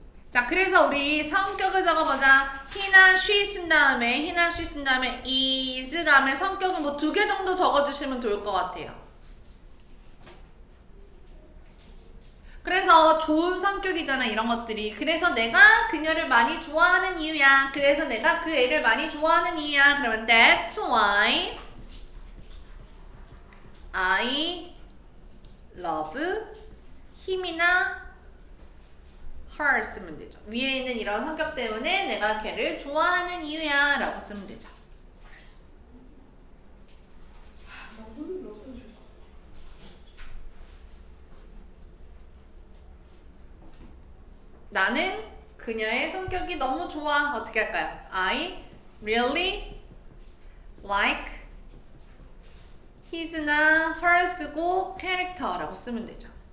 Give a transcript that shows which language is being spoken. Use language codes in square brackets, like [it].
[ko] 자, 그래서 우리 성격을 적어보자. he나 she 쓴 다음에 he나 she 쓴 다음에 is 다음에 성격은 뭐 두 개 정도 적어주시면 좋을 것 같아요. 그래서 좋은 성격이잖아, 이런 것들이. 그래서 내가 그녀를 많이 좋아하는 이유야. 그래서 내가 그 애를 많이 좋아하는 이유야. 그러면 [en] that's why I love him이나 her [ko] 쓰면 되죠. 위에 있는 이런 성격 때문에 내가 걔를 좋아하는 이유야 라고 쓰면 되죠. 나는 그녀의 성격이 너무 좋아. 어떻게 할까요? [en] I really like his나 her [ko] 쓰고 [en] character라고 [ko] 쓰면 되죠.